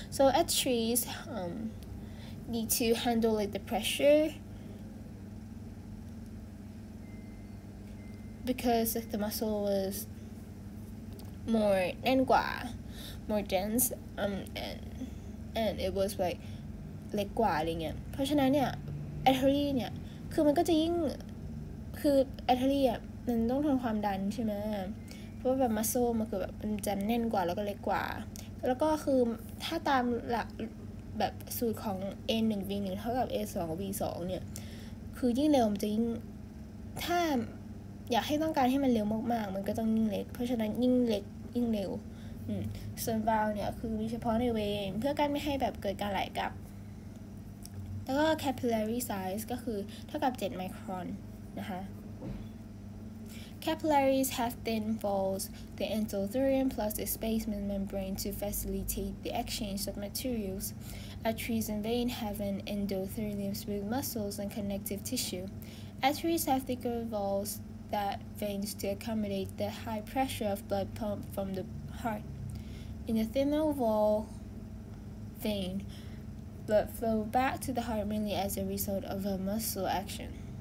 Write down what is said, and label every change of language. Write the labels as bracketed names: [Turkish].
[English] So arteries need to handle like the pressure, because like the muscle was more dense, and it was like guarding it. [Thai] เพราะฉะนั้นเนี่ย artery เนี่ยคือมันก็จะยิ่งคือ artery อ่ะมันต้องทนความดันใช่ไหมว่าแบบมัสโซมันคือแบบมันจะแน่นกว่าแล้วก็เล็กกว่าแล้วก็คือถ้าตามหลักแบบสูตรของ A1 V1 เท่ากับ A2 V2 เนี่ยคือยิ่งเร็วมันจะยิ่งถ้าอยากให้ต้องการให้มันเร็วมากๆมันก็ต้องยิ่งเล็กเพราะฉะนั้นยิ่งเล็กยิ่งเร็ว ส่วนวาล์วเนี่ยคือมีเฉพาะในเวนเพื่อกั้นไม่ให้แบบเกิดการไหลกลับแล้วก็ capillary size ก็คือเท่ากับ7 ไมครอนนะคะ [English] Capillaries have thin walls, the endothelium plus a basement membrane to facilitate the exchange of materials. Arteries and veins have an endothelium smooth muscles and connective tissue. Arteries have thicker walls than veins to accommodate the high pressure of blood pump from the heart. In the thinner wall vein, blood flow back to the heart mainly as a result of a muscle action.